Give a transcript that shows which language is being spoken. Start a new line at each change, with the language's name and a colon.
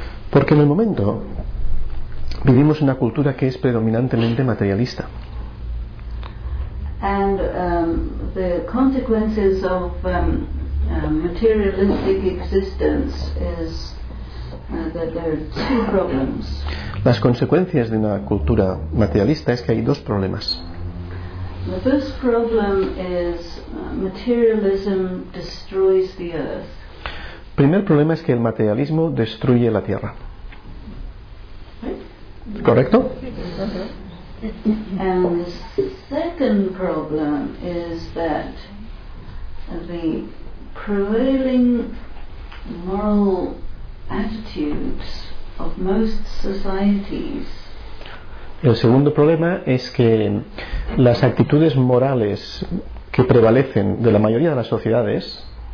Spanish: Porque en el momento vivimos en una cultura que es predominantemente materialista.
English: And the consequences of materialistic existence is that there are two problems.
Spanish: Las consecuencias de una cultura materialista es que hay dos problemas.
English: The first problem is materialism destroys the earth.
Spanish: Primer problema es que el materialismo destruye la tierra. ¿Correcto?
English: And the second problem is that the prevailing moral attitudes of most societies.
Spanish: El segundo problema es que las actitudes morales que prevalecen de la mayoría de las sociedades